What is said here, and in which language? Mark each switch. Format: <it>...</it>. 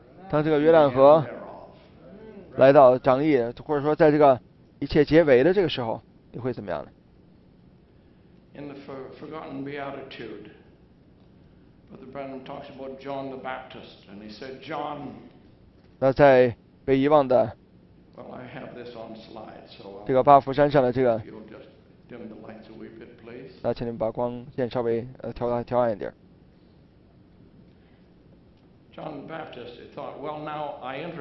<zh>当这个约旦河来到涨溢，或者说在这个一切结尾的这个时候，你会怎么样呢？</zh> <en>in the Forgotten Beatitude, Brother Branham talks about John the Baptist, and he said, John,</en> <zh>那在被遗忘的,</zh> <en>well, I have this on slide, so</en> <zh>这个巴福山上的这个,</zh> <en>you'll just dim the lights a wee bit, please.</en> <zh>那请你们把光线稍微, 调暗一点。</zh> <en>John the Baptist thought, well, now I introduce</en>